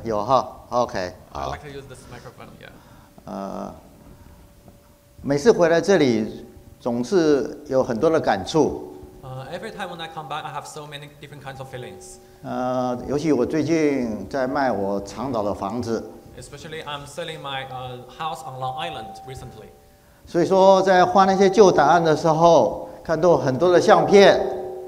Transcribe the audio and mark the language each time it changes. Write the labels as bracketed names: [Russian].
[Chinese] 有哈 ，OK， 好。 [English] I like to use this microphone, yeah. [Chinese] 每次回来这里，总是有很多的感触。 [English] Every time when I come back, I have so many different kinds of feelings. [Chinese] 尤其我最近在卖我长岛的房子。 [English] Especially, I'm selling my house on Long Island recently. [Chinese] 所以说，在换那些旧档案的时候，看到很多的相片。